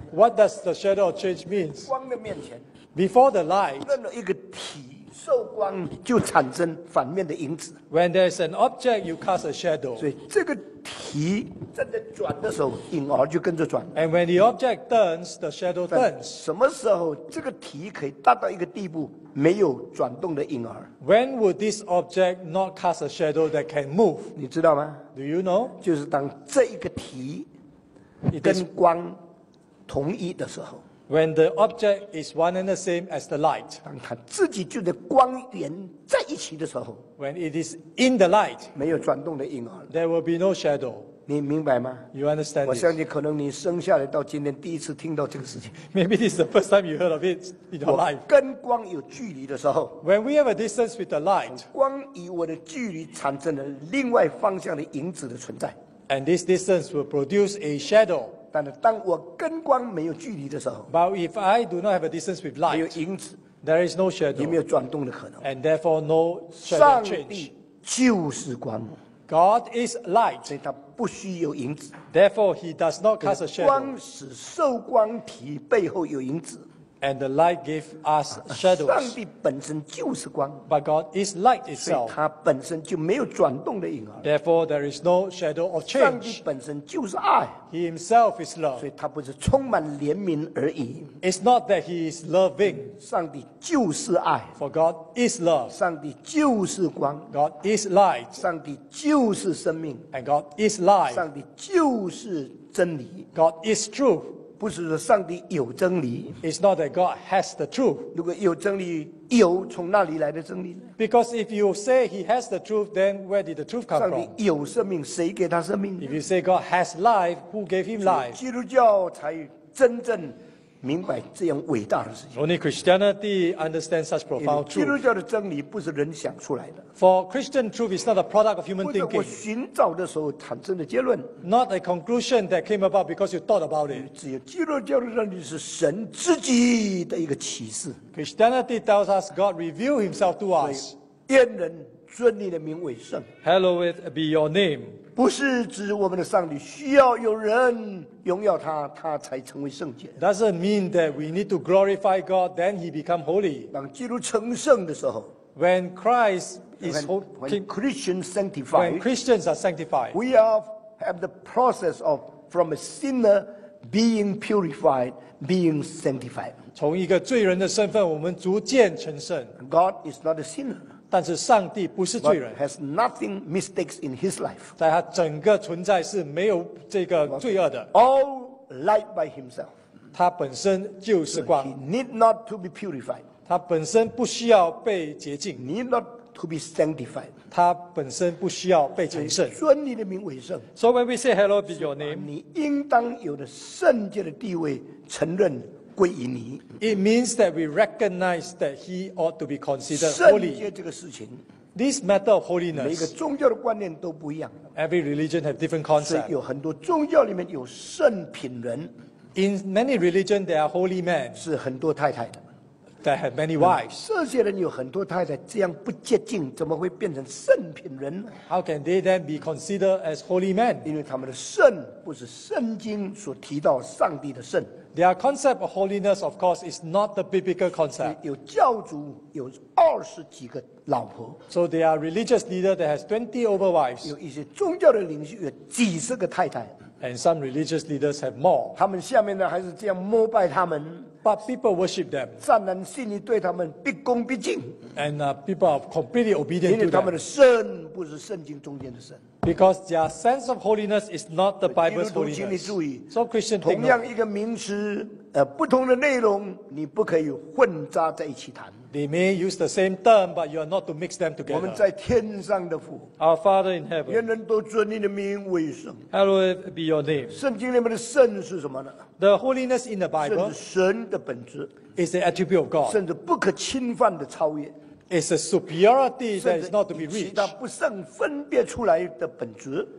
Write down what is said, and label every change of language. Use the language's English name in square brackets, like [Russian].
[English] What does the shadow of change means? [Chinese] 光的面前。 [English] Before the light, [Chinese] 任何一个体受光就产生反面的影子。 [English] When there is an object, you cast a shadow. [Chinese] 所以这个体正在转的时候，影儿就跟着转。 [English] And when the object turns, the shadow turns. [Chinese] 什么时候这个体可以达到一个地步，没有转动的影儿 [English] ？When would this object not cast a shadow that can move? [Chinese] 你知道吗 [English] ？Do you know? [Chinese] 就是当这一个体跟光同一的时候。 [English] When the object is one and the same as the light, [Chinese] 当它自己就在光源在一起的时候 [English] ，When it is in the light, [Chinese] 没有转动的影儿 [English] ，There will be no shadow. [Chinese] 你明白吗 [English] ？You understand? [Chinese] 我相信可能你生下来到今天第一次听到这个事情。 [English] Maybe this is the first time you heard of it in your life. [Chinese] 我跟光有距离的时候 [English] ，When we have a distance with the light, [Chinese] 光与我的距离产生了另外方向的影子的存在 [English] ，And this distance will produce a shadow. [Chinese] 但是当我跟光没有距离的时候 [English] ，But if I do not have a distance with light， [Chinese] 没有影子 [English] ，There is no shadow， [Chinese] 也没有转动的可能 [English] ，And therefore no shadow change。 [Chinese] 上帝就是光 [English] ，God is light， [Chinese] 所以他不需要影子 [English] ，Therefore he does not cast a shadow。 [Chinese] 光使受光体背后有影子 [English] ，And the light gave us shadows。 [Chinese] 上帝本身就是光 [English] ，But God is light itself， [Chinese] 所以他本身就没有转动的影儿 [English] ，Therefore there is no shadow of change。 [Chinese] 上帝本身就是爱。 [English] He himself is love. [Chinese] 所以他不是充满怜悯而已。 [English] It's not that he is loving. [Chinese] 上帝就是爱。 [English] For God is love. [Chinese] 上帝就是光。 [English] God is light. [Chinese] 上帝就是生命。 [English] And God is life. [Chinese] 上帝就是真理。 [English] God is truth. [Chinese] 不是说上帝有真理。 [English] It's not that God has the truth. [Chinese] 如果有真理，有从那里来的真理。 [English] Because if you say he has the truth, then where did the truth come from? [Chinese] 上帝有生命，谁给他生命？ [English] If you say God has life, who gave him life? [Chinese] 基督教才真正明白这样伟大的事情。 [English] Only Christianity understands such profound truth. [Chinese] 基督教的真理不是人想出来的。 [English] For Christian truth is not a product of human thinking. [Chinese] 不是我寻找的时候产生的结论。 [English] Not a conclusion that came about because you thought about it. [Chinese] 只有基督教的真理是神自己的一个启示。 [English] Christianity tells us God revealed himself to us. [Chinese] 愿人尊你的名为圣。 [English] Hallowed be your name. [Chinese] 不是指我们的上帝需要有人荣耀他，他才成为圣洁。 [English] Doesn't mean that we need to glorify God, then he become holy. [Chinese] 当基督成圣的时候 [English] ，When Christ is when Christians sanctified, when Christians are sanctified, we are have the process of from a sinner being purified, being sanctified. [Chinese] 从一个罪人的身份，我们逐渐成圣。 [English] God is not a sinner. [Chinese] 但是上帝不是罪人 [English] But has nothing mistakes in his life. [Chinese] 在他整个存在是没有这个罪恶的 [English] All light by himself. [Chinese] 他本身就是光 [English] He need not to be purified. [Chinese] 他本身不需要被洁净 [English] Need not to be sanctified. [Chinese] 他本身不需要被成圣尊你的名为圣 [English] So when we say hello be your name, [Chinese] 你应当有的圣洁的地位承认归于你 [English] It means that we recognize that he ought to be considered holy. [Chinese] 圣洁这个事情 [English] This matter of holiness. [Chinese] 每个宗教的观念都不一样 [English] Every religion has different concept. [Chinese] 有很多宗教里面有圣品人 [English] In many religion, there are holy men. [Chinese] 是很多太太的 [English] that had many wives. [Chinese] 这些人有很多太太，这样不洁净，怎么会变成圣品人呢？ [English] How can they then be considered as holy men? [Chinese] 因为他们的圣不是圣经所提到上帝的圣。 [English] Their concept of holiness, of course, is not the biblical concept. [Chinese] 有教主有二十几个老婆。 [English] So they are religious leaders that has 20 over wives. [Chinese] 有一些宗教的领袖有几十个太太。 [English] And some religious leaders have more. [Chinese] 他们下面呢还是这样膜拜他们。 [English] But people worship them. [Chinese] 善男信女对他们毕恭毕敬。 [English] And people are completely obedient to them. [Chinese] 因为他们的圣不是圣经中间的圣。 [English] Because their sense of holiness is not the Bible's holiness. [Chinese] 基督徒，请你注意。 [English] So Christian, [Chinese] 同样一个名词，不同的内容，你不可以混杂在一起谈。 [English] They may use the same term, but you are not to mix them together. [Chinese] 我们在天上的父。 [English] Our Father in heaven. [Chinese] 愿人都尊你的名为圣。 [English] Hallowed be your name. [Chinese] 圣经里面的圣是什么呢？ [English] The holiness in the Bible. [Chinese] 圣是神的本质。 [English] Is the attribute of God. [Chinese] 甚至不可侵犯的超越。 [English] It's a superiority that is not to be reached. [Chinese] 甚至其他不胜分别出来的本质。